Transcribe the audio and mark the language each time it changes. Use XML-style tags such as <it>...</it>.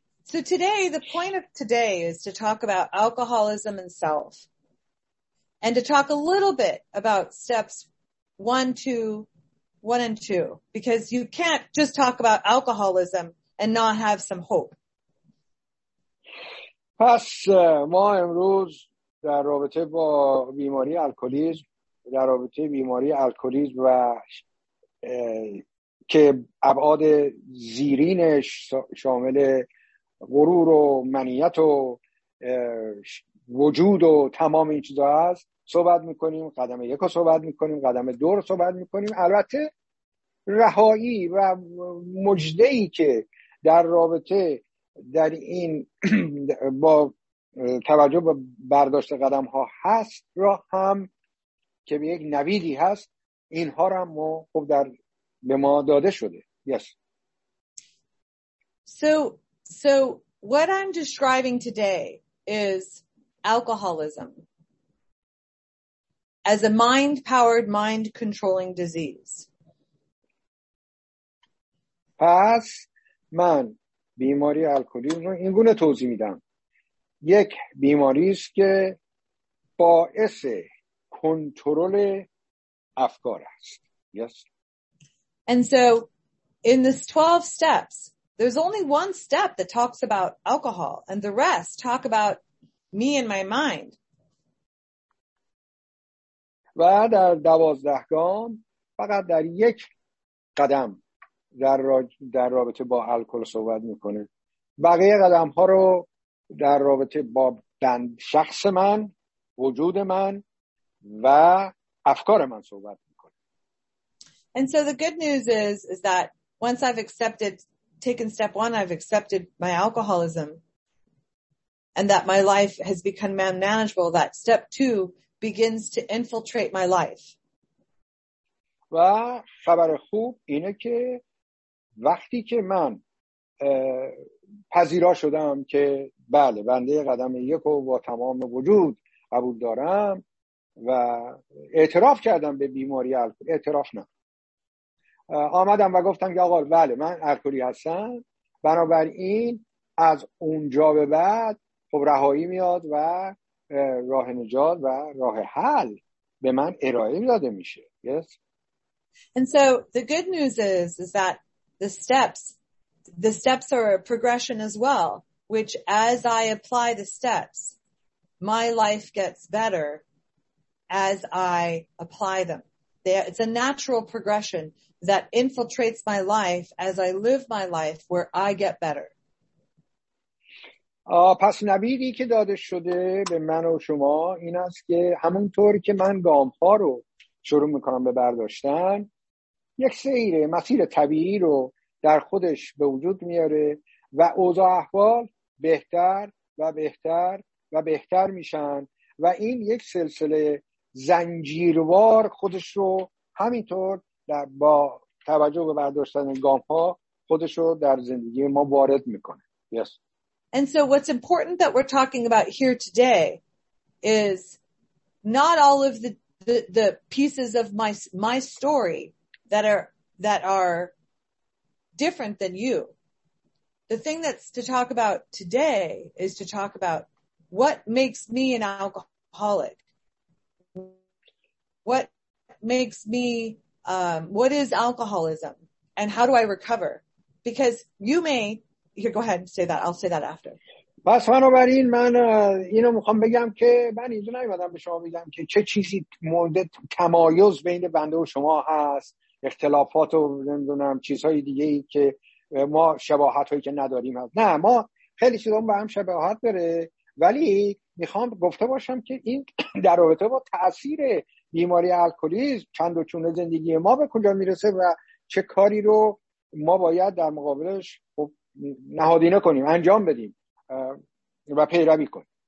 <en>So today the point of today is to talk about alcoholism and self and to talk a little bit about steps 1 and 2, because you can't just talk about alcoholism and not have some hope.</en> <fa>پس ما امروز در رابطه با بیماری الکلیسم، در رابطه بیماری الکلیسم و که ابعاد زیرینش شامل غرور و منیت و وجود و تمام این چیزا هست صحبت میکنیم. قدم یک رو صحبت میکنیم، قدم دو رو صحبت میکنیم. البته رهایی و مژده‌ای که در رابطه در این با توجه به برداشت قدم ها هست را هم که به یک نویدی هست، اینها را هم خوب در به ما داده شده.</fa> <en>Yes. So what I'm describing today is alcoholism as a mind-powered, mind-controlling disease.</en> <fa>پس من بیماری الکلی رو این گونه توضیح میدم. یک بیماری است که باعث کنترل افکار است.</fa> <en>Yes. And so in this 12 steps, there's only one step that talks about alcohol and the rest talk about me and my mind.</en> <fa>و در 12 گام فقط در یک قدم در رابطه با الکل صحبت میکنه. بقیه قدم ها رو در رابطه با بند شخص من، وجود من و افکار من صحبت میکنه.</fa> <en>And so the good news is that once I've accepted, taken step one, I've accepted my alcoholism and that my life has become manageable, that step two begins to infiltrate my life.</en> <fa>و خبر خوب اینه که وقتی که من پذیرا شدم که بله بنده قدم یک رو با تمام وجود قبول دارم و اعتراف کردم به بیماری الکلی، اعتراف نه، آمدم و گفتم که آقا بله من الکلی هستم، بنابراین از اونجا به بعد خب رهایی میاد و راه نجات و راه حل به من ارائه داده میشه.</fa> <en>Yes. And so the good news is that The steps are a progression as well, which as I apply the steps, my life gets better as I apply them. It's a natural progression that infiltrates my life as I live my life where I get better.</en> <fa>پس نبیدی که داده شده به من و شما این است که همونطور که من گام ها رو شروع میکنم به برداشتن، یک سیر مسیر طبیعی رو در خودش به وجود میاره و اوضاع احوال بهتر و بهتر و بهتر میشن و این یک سلسله زنجیروار خودش رو همینطور در با توجه به برداشتن گام ها خودش رو در زندگی ما وارد میکنه.</fa> <en>Yes. And so what's important that we're talking about here today is not all of the pieces of my story that are different than you. The thing that's to talk about today is to talk about what makes me an alcoholic. What makes me, what is alcoholism and how do I recover? Because you may, here, go ahead and say that. I'll say that after.</en> <fa>بس بنابراین من اینو میخوام بگم که من اینجا نیومدم به شما بگم که چه چیزی مورد تمایز بین بنده و شما هست، اختلافات و نمیدونم چیزهای دیگه ای که ما شباهت هایی که نداریم هست. نه، ما خیلی چیزا با هم شباهت داره، ولی میخوام گفته باشم که این در رابطه با تأثیر بیماری الکلیز چند و چونه زندگی ما به کجا میرسه و چه کاری رو ما باید در مقابلش نهادینه کنیم، انجام بدیم و پیروی کنیم.</fa>